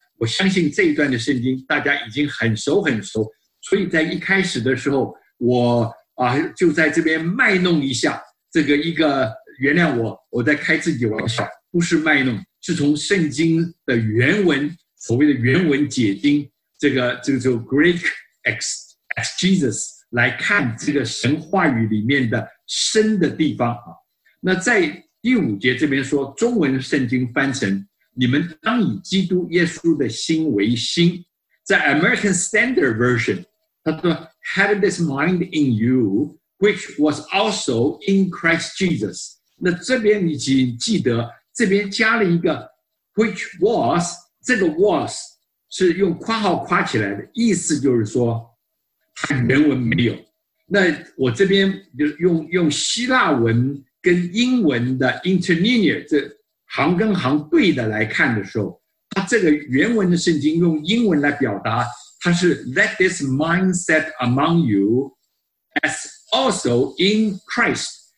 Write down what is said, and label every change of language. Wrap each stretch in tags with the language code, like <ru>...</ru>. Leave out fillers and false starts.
<zh>我相信这一段的圣经大家已经很熟很熟，所以在一开始的时候，我啊就在这边卖弄一下这个一个，原谅我，我在开自己玩笑，不是卖弄，是从圣经的原文，所谓的原文解经，这个就 Greek exegesis 来看这个神话语里面的深的地方。那在第五节这边说，中文圣经翻成，你们当以基督耶稣的心为心。在 American Standard Version, 他说</zh> <en>Have this mind in you, which was also in Christ Jesus.</en> <zh>那这边你请记得，这边加了一个 which was, 这个 was 是用括号括起来的，意思就是说它原文没有。那我这边就用希腊文跟英文的 interlinear, 这行跟行对的来看的时候，它这个原文的圣经用英文来表达，它是</zh> <en>let this mindset among you as also in Christ。</en>